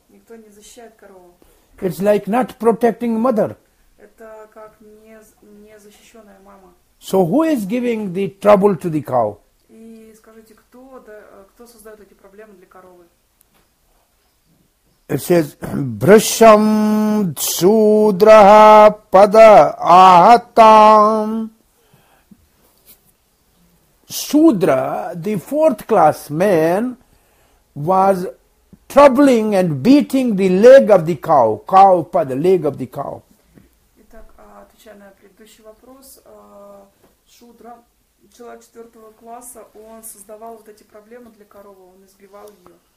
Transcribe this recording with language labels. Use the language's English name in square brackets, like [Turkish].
[Russian] Никто не защищает корову. [English] It's like not protecting mother. [Russian] Это как не защищенная мама. [English] So who is giving the trouble to the cow? [Russian] И скажите, кто создает эти проблемы для коровы? [English] It says, [Sanskrit] Brisham Sudraha Pada Ahatam. [English] Sudra, the fourth class man, was troubling and beating the leg of the cow. Cow by the leg of the cow. [Russian] Итак, отвечая на предыдущий вопрос, Шудра, человек четвертого класса, он создавал вот эти проблемы для коровы, он избивал ее.